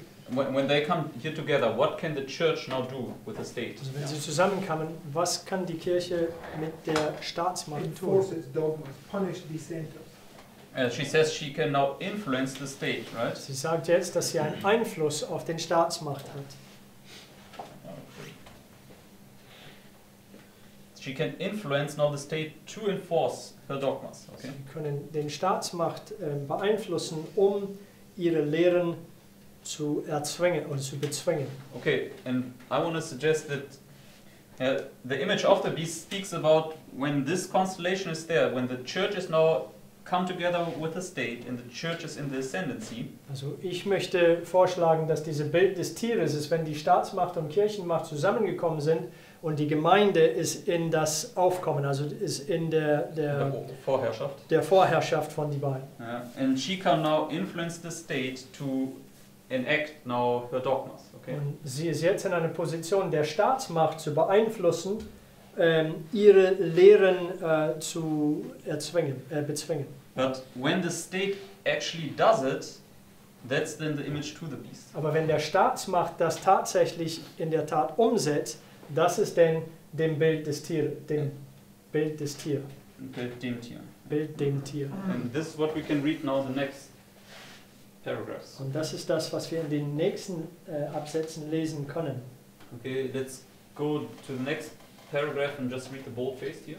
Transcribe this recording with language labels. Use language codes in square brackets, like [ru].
[en] When they come here together, what can the church now do with the state? [de] Also wenn sie zusammenkommen, was kann die Kirche mit der Staatsmacht tun? [en] Enforce its dogmas, punish dissenters. She says she can now influence the state, right? [de] Sie sagt jetzt, dass sie einen Einfluss auf den Staatsmacht hat. [en] She can influence now the state to enforce her dogmas. Okay. [de] Sie können den Staatsmacht beeinflussen, um ihre Lehren zu erzwingen oder zu bezwingen. [en] Okay, and I want to suggest that the image of the beast speaks about when this constellation is there, when the church is now come together with the state and the church is in the ascendancy. [de] Also ich möchte vorschlagen, dass dieses Bild des Tieres ist, wenn die Staatsmacht und Kirchenmacht zusammengekommen sind und die Gemeinde ist in das Aufkommen, also ist in der Vorherrschaft. Der Vorherrschaft von die beiden. [en] Yeah. And she can now influence the state to enact now her dogmas. Okay. [de] Und sie ist jetzt in einer Position, der Staatsmacht zu beeinflussen, ihre Lehren zu erzwingen, bezwingen. [en] But when the state actually does it, that's then the image to the beast. [de] Aber wenn der Staatsmacht das tatsächlich in der Tat umsetzt, das ist denn dem Bild des Tier, dem Bild des Tier. Bild dem Tier. Bild dem Tier. [en] And this is what we can read now the next paragraphs. [de] Und das ist das, was wir in den nächsten Absätzen lesen können. [en] Okay, let's go to the next paragraph and just read the bold-faced here.